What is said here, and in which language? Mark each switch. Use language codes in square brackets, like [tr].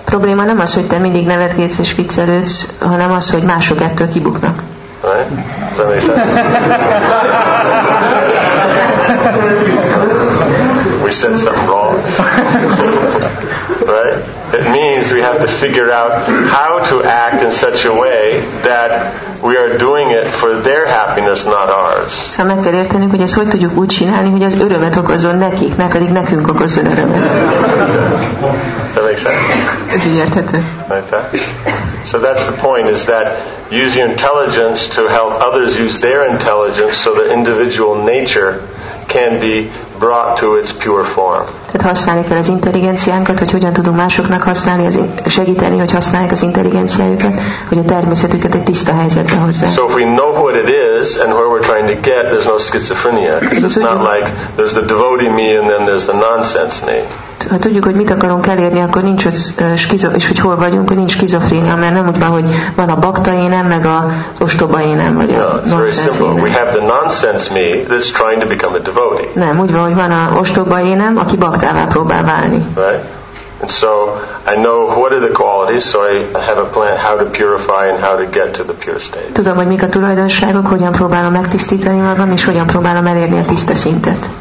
[hu] Probléma nem az, hogy te mindig nevetgélsz és viccelődsz, hanem az, hogy mások ettől kibuknak. [en] Right? Does that make sense? We said something wrong. Right? It means we have to figure out how to act in such a way that we are doing it for their happiness, not ours. [hu] So meg kell értenünk, hogy ezt hogy tudjuk úgy csinálni, hogy az örömet okozzon nekik, ne pedig nekünk okozzon örömet. [en] That makes sense? [hu] Ez így érthető. [en] So that's the point, is that use your intelligence to help others use their intelligence so their individual nature can be brought to its pure form. [hu] Tehát használni kell az intelligenciánkat, hogy hogyan tudunk másoknak használni, segíteni, hogy használják az intelligenciájukat, hogy a természetüket egy tiszta helyzetbe hozzák. [en] So if we know what it is and where we're trying to get, there's no schizophrenia. It's not like there's the devotee me and then there's the nonsense me. [hu] Ha tudjuk, hogy mit akarunk elérni, akkor nincs és hogy hol vagyunk, hogy nincs skizofrénia, mert nem úgy van, hogy van a bakta énem, meg az ostoba énem, vagy a nonsense énem. [en] We have the nonsense me that's trying to become a devotee. [hu] Nem, úgy van, hogy van a ostoba énem, aki baktává próbál válni. [en] Right? And so I know what are the qualities, so I have a plan how to purify and how to get to the pure state. [hu] Tudom, hogy mik a tulajdonságok, hogyan próbálom megtisztítani magam, és hogyan próbálom elérni a tiszta szintet.